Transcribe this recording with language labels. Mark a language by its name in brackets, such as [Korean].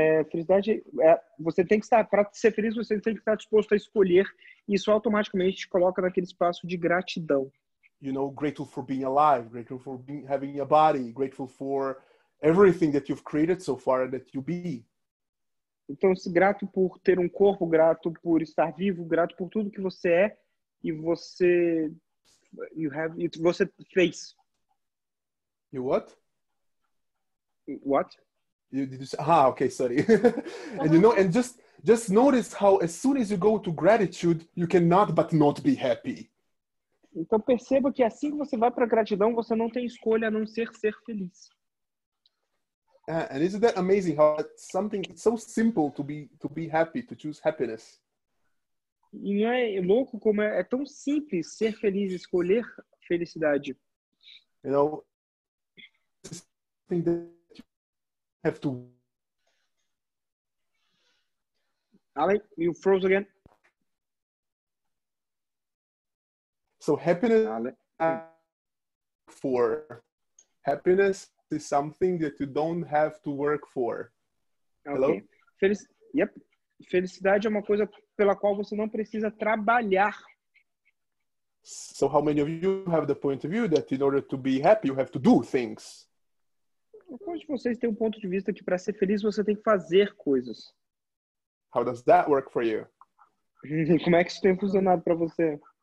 [Portuguese] Felicidade, você tem que estar, para ser feliz, você tem que estar disposto a escolher, e isso automaticamente te coloca naquele espaço de gratidão. [English] You know, grateful for being alive, grateful for having a body, grateful for everything that you've created so far and that you be. [Portuguese] Então, grato por ter um corpo, grato por estar vivo, grato por tudo que você é e você. Você fez. [English] You what? What? You did just, okay, sorry. And you know, and just notice how as soon as you go to gratitude, you cannot but not be happy. [Portuguese] Então perceba que assim que você vai para gratidão, você não tem escolha a não ser feliz. [English] And isn't that amazing how something it's so simple to be happy, to choose happiness. [Portuguese] E não é louco como é tão simples ser feliz, escolher felicidade. [English] You know, something that have to. Ali, you froze again. So happiness for happiness is something that you don't have to work for. Okay. Hello? [Portuguese] Felicidade é uma coisa pela qual você não precisa trabalhar. [English] So how many of you have the point of view that in order to be happy you have to do things? [Portuguese] Alguns de vocês têm um ponto de vista que para ser feliz você tem que fazer coisas. [English] How does that work for you? [Portuguese] Como é que isso tem funcionado para você?